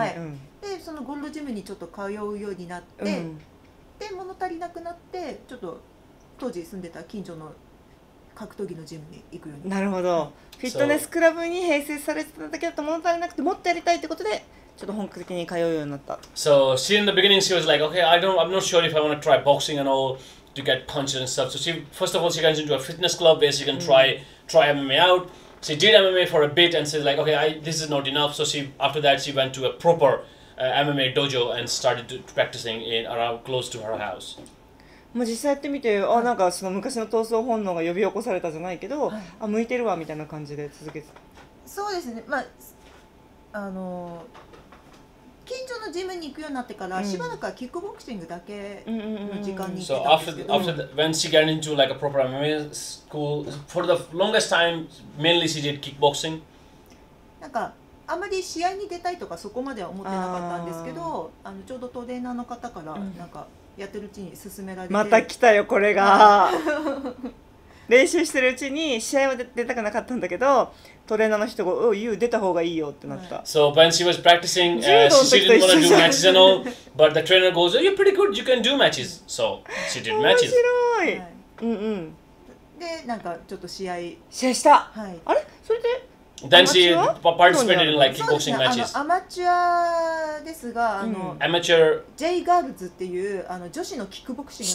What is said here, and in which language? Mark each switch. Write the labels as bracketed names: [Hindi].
[Japanese] はい、うん、でそのゴールドジムにちょっと通うようになって、うん、で物足りなくなってちょっと当時住んでた近所の格闘技のジムに行くようになる。ほど、フィットネスクラブに併設されてただけだと物足りなくて、もっとやりたいってことでちょっと本格的に通うようになった。 [English] So she in the beginning she was like okay I'm not sure if I want to try boxing and all to get punches and stuff. So she first of all she goes into a fitness club where she can try MMA outShe did MMA for a bit and said like, okay, this is not enough. So she, after that, she went to a proper MMA dojo and started practicing in around close to her house. [Japanese] もう実際やってみて、あ、なんかその昔の闘争本能が呼び起こされたじゃないけど、あ、向いてるわみたいな感じで続けて。そうですね。まあ、あの近所のジムに行くようになってから、しばらくはキックボクシングだけの時間に行ってたんですけど。 [English] So after when she got into like a proper MMA school, for the longest time, mainly she did kickboxing. [Japanese] なんかあまり試合に出たいとかそこまでは思ってなかったんですけど、あのちょうどトレーナーの方からなんかやってるうちに勧められて。また来たよこれが。練習してるうちに試合は出たくなかったんだけど、トレーナーの人が、 [English] oh, you [Japanese] 出た方がいいよってなった。 [English] So when she was practicing, she didn't want to do matches and all, but the trainer goes, oh, you're pretty good, you can do matches. So she did matches. [Japanese] 面白い。はい、うんうん。で、なんかちょっと試合。試合した。はい。あれ？それで？ [English] Then she participated in like kickboxing matches. [Japanese] そうですね、アマチュアですが、あの、アマチュア、 J ガールズっていうあの女子のキックボクシング。